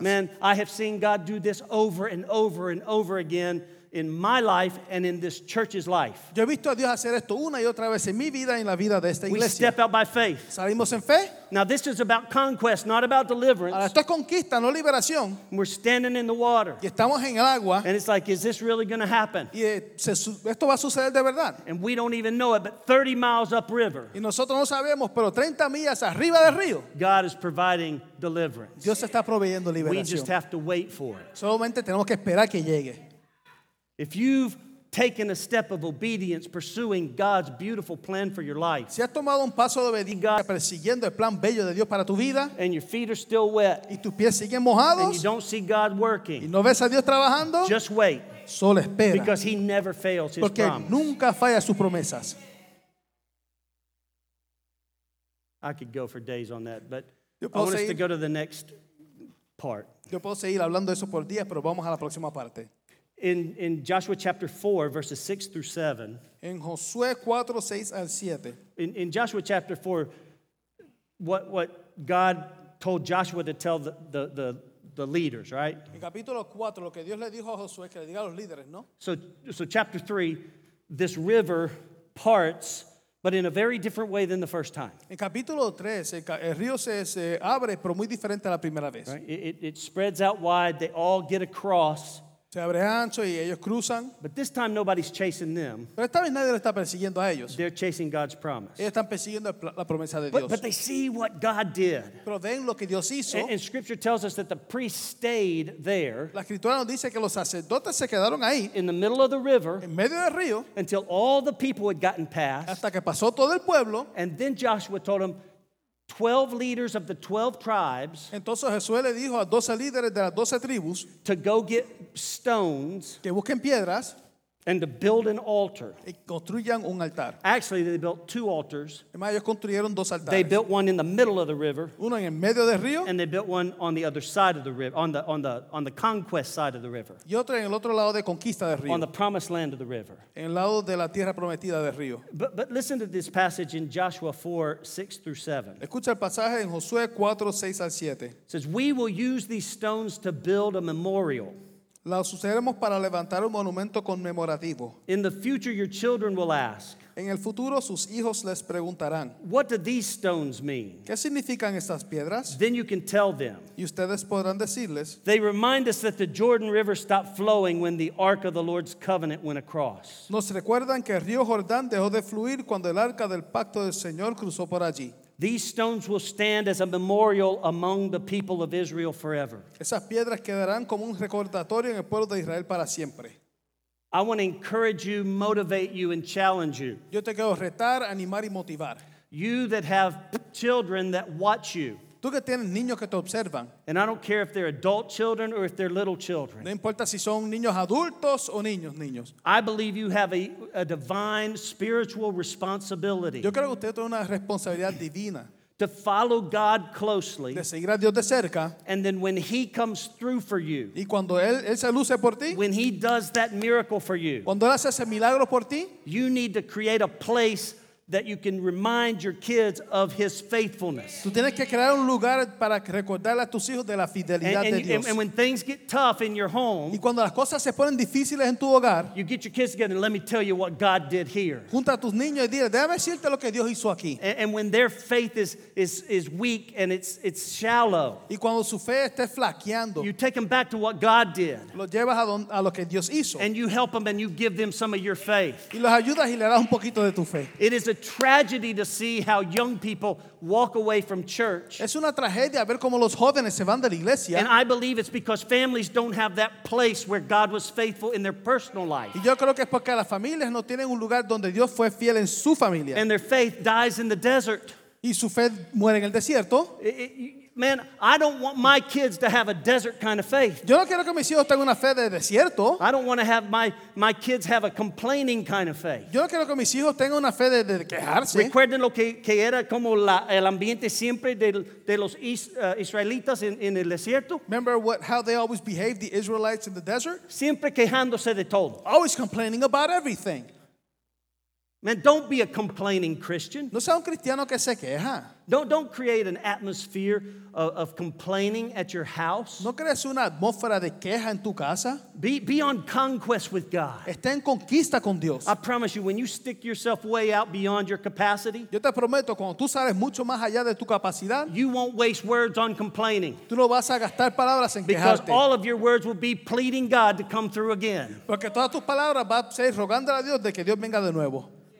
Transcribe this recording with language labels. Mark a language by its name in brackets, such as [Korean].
[English] Man, I have seen God do this over and over and over again in my life and in this church's life. [Spanish] Yo he visto a Dios hacer esto una y otra vez en mi vida y en la vida de esta iglesia. [English] We step out by faith. [Spanish] Salimos en fe. [English] Now this is about conquest, not about deliverance. [Spanish] Ahora, esto es conquista, no liberación. [English] We're standing in the water. [Spanish] Y estamos en el agua. [English] And it's like, is this really going to happen? [Spanish] Y esto va a suceder de verdad. [English] And we don't even know it, but 30 miles upriver. [Spanish] Y nosotros no sabemos, pero 30 millas arriba del río. [English] God is providing deliverance. [Spanish] Dios está proveyendo liberación. [English] We just have to wait for it. [Spanish] Solamente tenemos que esperar que llegue. [English] If you've taken a step of obedience pursuing God's beautiful plan for your life, [Spanish] si has tomado un paso de obediencia persiguiendo el plan bello de Dios para tu vida, [English] and your feet are still wet, [Spanish] y tus pies siguen mojados, [English] and you don't see God working, [Spanish] y no ves a Dios trabajando, [English] just wait, [Spanish] solo espera, [English] because he never fails his [Spanish] porque [English] promise. [Spanish] Nunca falla sus promesas. [English] I could go for days on that, but I want us to go to the next part. [Spanish] Yo puedo seguir hablando de eso por días, pero vamos a la próxima parte. [English] In Joshua chapter 4, verses 6 through 7. [Spanish] En Josué 4, 6 al 7. [English] In Joshua chapter 4, what God told Joshua to tell the leaders, right? [Spanish] En capítulo 4, lo que Dios le dijo a Josué, que le diga a los líderes, ¿no? [English] So chapter 3, this river parts, but in a very different way than the first time. [Spanish] En capítulo 3, el río se abre, pero muy diferente a la primera vez. [English] Right? It spreads out wide, they all get across. [Spanish] Se abre ancho y ellos cruzan. [English] But this time nobody's chasing them. [Spanish] Pero esta vez nadie lo está persiguiendo a ellos. [English] They're chasing God's promise. [Spanish] Ellos están persiguiendo la promesa de [English] Dios. But they see what God did. [Spanish] Pero ven lo que Dios hizo. [English] And scripture tells us that the priest stayed there. [Spanish] La escritura nos dice que los sacerdotes se quedaron ahí. [English] In the middle of the river. [Spanish] En medio del río. [English] Until all the people had gotten past. [Spanish] Hasta que pasó todo el pueblo. [English] And then Joshua told them, 12 leaders of the 12 tribes. [Spanish] Entonces Josué le dijo a 12 líderes de las 12 tribus [English] to go get stones, [Spanish] que busquen piedras, [English] and to build an altar. [Spanish] Y construyan un altar. [English] Actually, they built two altars. [Spanish] Además, ellos construyeron dos altares. [English] They built one in the middle of the river. [Spanish] Uno en el medio del río. [English] And they built one on the other side of the river, on the conquest side of the river. [Spanish] Y otro en el otro lado de conquista del río. [English] On the promised land of the river. [Spanish] En el lado de la tierra prometida del río. [English] But listen to this passage in Joshua 4, 6 through 7. [Spanish] Escucha el pasaje en Josué 4, 6 al 7. [English] It says, we will use these stones to build a memorial. [Spanish] Las usaremos para levantar un monumento conmemorativo. [English] In the future, your children will ask. [Spanish] En el futuro, sus hijos les preguntarán. [English] What do these stones mean? [Spanish] ¿Qué significan estas piedras? [English] Then you can tell them. [Spanish] Y ustedes podrán decirles. [English] They remind us that the Jordan River stopped flowing when the Ark of the Lord's Covenant went across. [Spanish] Nos recuerdan que el río Jordán dejó de fluir cuando el Arca del Pacto del Señor cruzó por allí. [English] These stones will stand as a memorial among the people of Israel forever. [Spanish] Esas piedras quedarán como un recordatorio en el pueblo de Israel para siempre. [English] I want to encourage you, motivate you, and challenge you. [Spanish] Yo te quiero retar, animar y motivar. [English] You that have children that watch you. [Spanish] Tú que tienes niños que te observan. [English] And I don't care if they're adult children or if they're little children. [Spanish] No importa si son niños adultos o niños, niños. [English] I believe you have a divine spiritual responsibility. [Spanish] Yo creo que usted tiene una responsabilidad divina. [English] To follow God closely. [Spanish] De seguir a Dios de cerca. [English] And then when he comes through for you. [Spanish] Y cuando él se luce por ti. [English] When he does that miracle for you. [Spanish] Cuando él hace ese milagro por ti. [English] You need to create a place that you can remind your kids of his faithfulness. [Spanish] Tú tienes que crear un lugar para recordarle a tus hijos de la fidelidad de Dios. [English] And when things get tough in your home, [Spanish] y cuando las cosas se ponen difíciles en tu hogar, [English] you get your kids together and let me tell you what God did here. [Spanish] Junta a tus niños y dile, déjame decirte lo que Dios hizo aquí. [English] And when their faith is weak and it's shallow, [Spanish] y cuando su fe esté flaqueando, [English] you take them back to what God did. [Spanish] Los llevas a lo que Dios hizo. [English] And you help them and you give them some of your faith. [Spanish] Y los ayudas y le das un poquito de tu fe. [English] It is a tragedy to see how young people walk away from church. [Spanish] Es una tragedia ver cómo los jóvenes se van de la iglesia. [English] And I believe it's because families don't have that place where God was faithful in their personal life. [Spanish] Y yo creo que es porque las familias no tienen un lugar donde Dios fue fiel en su familia. [English] And their faith dies in the desert. [Spanish] Y su fe muere en el desierto. [English] Man, I don't want my kids to have a desert kind of faith. [Spanish] Yo no quiero que mis hijos tengan una fe de desierto. [English] I don't want to have my kids have a complaining kind of faith. [Spanish] Yo no quiero que mis hijos tengan una fe de quejarse. Recuerden lo que era como el ambiente siempre de los israelitas en el desierto. [English] Remember how they always behaved, the Israelites in the desert? [Spanish] Siempre quejándose de todo. [English] Always complaining about everything. Man, don't be a complaining Christian. [Spanish] No sea un cristiano que se queja. [English] Don't create an atmosphere of complaining at your house. [Spanish] No crees una atmósfera de queja en tu casa. [English] Be on conquest with God. [Spanish] Está en conquista con Dios. [English] I promise you, when you stick yourself way out beyond your capacity, [Spanish] yo te prometo, cuando tú sales mucho más allá de tu capacidad, [English] you won't waste words on complaining. [Spanish] Tú no vas a gastar palabras en quejarte. [English] Because all of your words will be pleading God to come through again. [Spanish] Porque todas tus palabras van a ser rogándole a Dios de que Dios venga de nuevo.